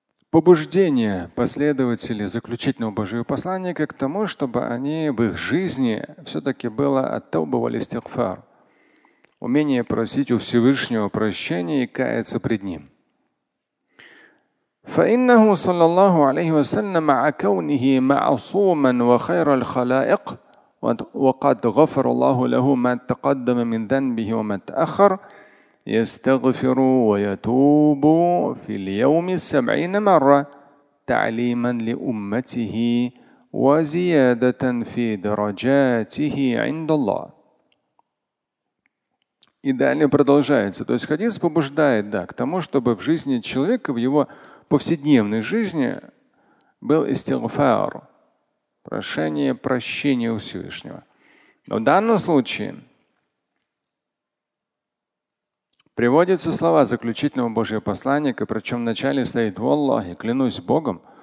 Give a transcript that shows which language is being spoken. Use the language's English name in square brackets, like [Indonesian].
[Russian] Побуждение последователей заключительного Божьего посланника к тому, чтобы они в их жизни все-таки было тауба валь истигфар. Умение просить у Всевышнего прощения и каяться пред Ним. [Arabic] فَإِنَّهُ صَلَّى اللَّهُ عَلَيْهِ وَسَلَّمَ عَلَى كَوْنِهِ مَعْصُومًا وَخَيْرَ الْخَلَائِقِ وقد غفر الله له ما تقدم من ذنبه وما تأخر يستغفر ويتوب في اليوم 70 مرة تعليما لأمته وزيادة في درجاته عند الله. [Russian] И далее продолжается. То есть хадис побуждает, да, к тому, чтобы в жизни человека, в его повседневной жизни был истигфар. Прошение прощения у Всевышнего. Но в данном случае приводятся слова заключительного Божьего посланника, причем в начале стоит «Валлахи, клянусь Богом».